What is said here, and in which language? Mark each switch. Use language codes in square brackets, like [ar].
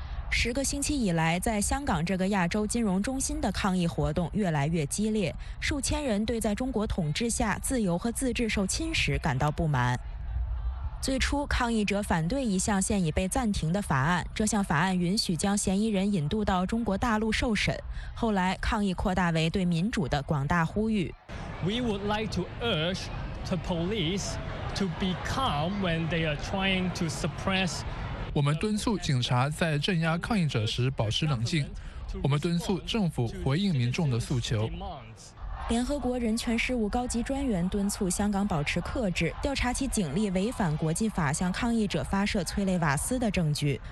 [zh] 十个星期以来，在香港这个亚洲金融中心的抗议活动越来越激烈，数千人对在中国统治下自由和自治受侵蚀感到不满。最初，抗议者反对一项现已被暂停的法案，这项法案允许将嫌疑人引渡到中国大陆受审。后来，抗议扩大为对民主的广大呼吁。 [en] We would like to urge the police to be calm when they are trying to suppress. [zh] 我们敦促警察在镇压抗议者时保持冷静，我们敦促政府回应民众的诉求。联合国人权事务高级专员敦促香港保持克制，调查其警力违反国际法向抗议者发射催泪瓦斯的证据。